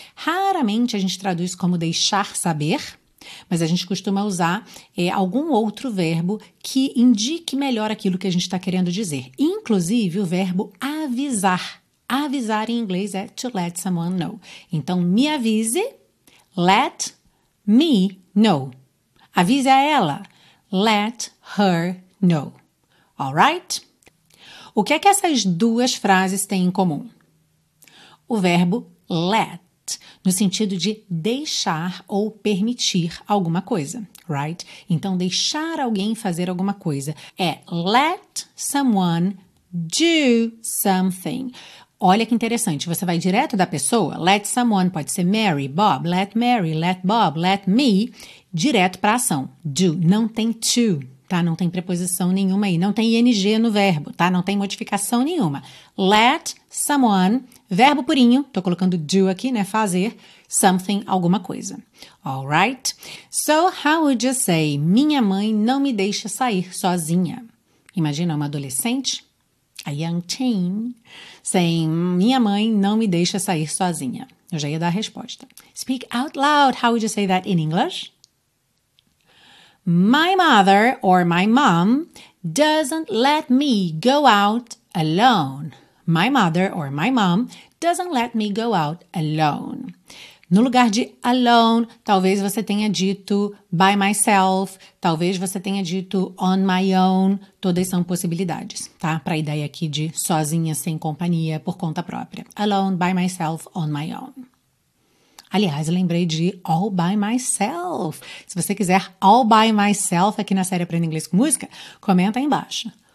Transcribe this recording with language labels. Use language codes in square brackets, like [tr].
[pt] Raramente a gente traduz como deixar saber, mas a gente costuma usar algum outro verbo que indique melhor aquilo que a gente está querendo dizer. Inclusive o verbo avisar. Avisar em inglês é [en] to let someone know. [pt] Então me avise, [en] let me know. [pt] Avise a ela, [en] let her know, all right? [pt] O que é que essas duas frases têm em comum? O verbo let, no sentido de deixar ou permitir alguma coisa, right? Então, deixar alguém fazer alguma coisa é [en] let someone do something. [pt] Olha que interessante, você vai direto da pessoa, let someone, pode ser Mary, [en] let Bob, let me, [pt] direto para a ação, do, não tem to, tá? Não tem preposição nenhuma aí, não tem ing no verbo, tá? Não tem modificação nenhuma, let someone, verbo purinho, tô colocando do aqui, né, fazer, something, alguma coisa, alright? [en] So, how would you say, [pt] minha mãe não me deixa sair sozinha? Imagina uma adolescente, [en] a young teen, saying, [pt] minha mãe não me deixa sair sozinha. Eu já ia dar a resposta. [en] Speak out loud. How would you say that in English? My mother or my mom doesn't let me go out alone. My mother or my mom doesn't let me go out alone. [pt] No lugar de alone, talvez você tenha dito [en] by myself, [pt] talvez você tenha dito [en] on my own, [pt] todas são possibilidades, tá? Para a ideia aqui de sozinha, sem companhia, por conta própria. [en] Alone, by myself, on my own. [pt] Aliás, lembrei de [en] all by myself. [pt] Se você quiser all by myself aqui na série Aprenda Inglês com Música, comenta aí embaixo.